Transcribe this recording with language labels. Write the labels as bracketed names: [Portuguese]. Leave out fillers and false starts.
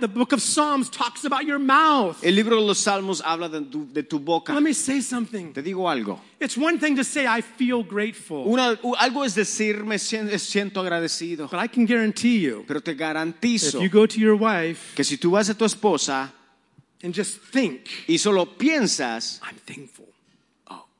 [English] The book of Psalms talks about your mouth. [Spanish] El libro de los Salmos habla de tu boca. [English] Let me say something. [Spanish] Digo algo. [English] It's one thing to say I feel grateful. [Spanish] Algo es decir me siento agradecido. [English] But I can guarantee you. [Spanish] Pero te garantizo. [English] If you go to your wife, [Spanish] que si tú vas a tu esposa, [English] and just think, [Spanish] y solo piensas, [English] I'm thankful. Oh.